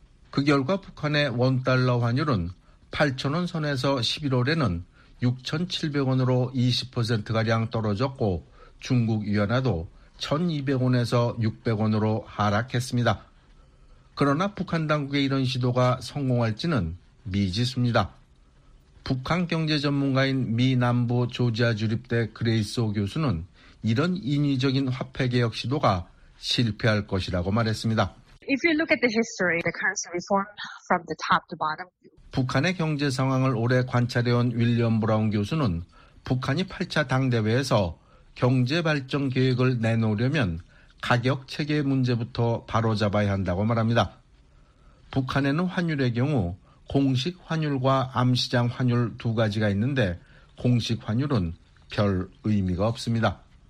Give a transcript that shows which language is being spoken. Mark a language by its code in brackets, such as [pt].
[ko] 그 결과 북한의 원달러 환율은 8,000원 선에서 11월에는 6,700원으로 20%가량 떨어졌고 중국 위안화도 1,200원에서 600원으로 하락했습니다. 그러나 북한 당국의 이런 시도가 성공할지는 미지수입니다. 북한 경제 전문가인 미 남부 조지아 주립대 그레이스 오 교수는 이런 인위적인 화폐 개혁 시도가 실패할 것이라고 말했습니다. [en] If you look at the history, the currency reform from the top to bottom. [ko] 북한의 경제 상황을 오래 관찰해온 윌리엄 브라운 교수는 북한이 8차 당대회에서 경제 발전 계획을 내놓으려면 가격 체계 문제부터 바로잡아야 한다고 말합니다. 북한에는 환율의 경우 공식 환율과 암시장 환율 두 가지가 있는데 공식 환율은 별 의미가 없습니다.